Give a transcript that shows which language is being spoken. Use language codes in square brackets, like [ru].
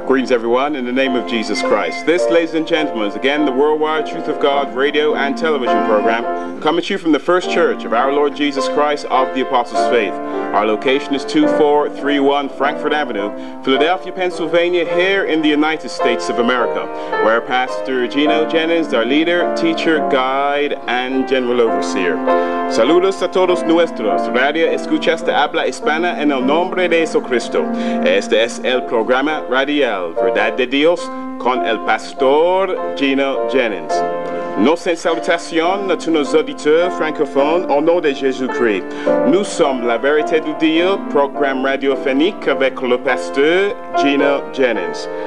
[en] In the name of Jesus Christ. This, ladies and gentlemen, is again the Worldwide Truth of God radio and television program coming to you from the First Church of our Lord Jesus Christ of the Apostles' Faith. Our location is 2431 Frankfort Avenue, Philadelphia, Pennsylvania, here in the United States of America, where Pastor Gino Jennings, our leader, teacher, guide, and general overseer. [es] Saludos a todos nuestros. Radio escuchas de habla hispana en el nombre de Jesucristo. Este es el programa radial Verdad de Dios con el Pastor Gino Jennings. [fr] Nos salutación a tous nos auditeurs francophones au nom de Jésus-Christ. Nous sommes La Vérité du Dieu, programme radiophonique avec le pasteur Gino Jennings.